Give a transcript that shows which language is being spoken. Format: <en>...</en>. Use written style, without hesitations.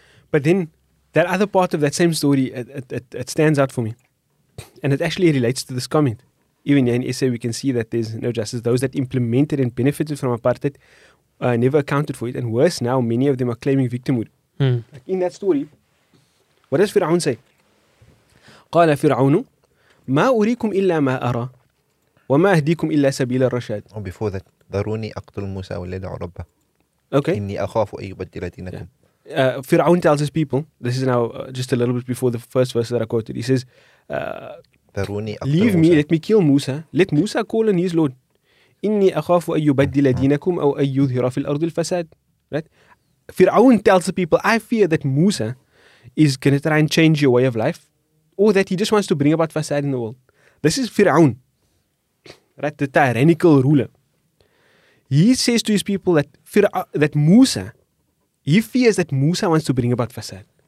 <en>But then that other part of that same story, it stands out for me. And it actually relates to this comment. Even in SA, we can see that there's no justice. Those that implemented and benefited from apartheid never accounted for it. And worse now, many of them are claiming victimhood. Like in that story, what does Fir'aun say?</en> <ar>قال فرعون ما أريكم إلا ما أرى وما أهديكم إلا سبيل الرشاد.</ar> <en>Oh, before that,</en> <ar>ذروني أقتل موسى وليدع ربه.</ar> <en>Okay.</en> <ar>إني أخاف أن يبدل دينكم. Yeah.</ar> <en>Fir'aun tells his people, this is now just a little bit before the first verse that I quoted. He says,</en> <ar>ذروني أقتل</ar> <en>leave</en> <ar>موسى.</ar> <en>Me, let me kill موسى. Let موسى call on his Lord.</en> <ar>إني أخاف أن يبدل دينكم أو أن يظهر في الأرض الفساد.</ar> <en>Right? Fir'aun tells the people, I fear that موسى is going to try and change your way of life. Or that he just wants to bring about fasad in the world. This is Fir'aun, right? The tyrannical ruler. He says to his people that Musa, he fears that Musa wants to bring about fasad.</en>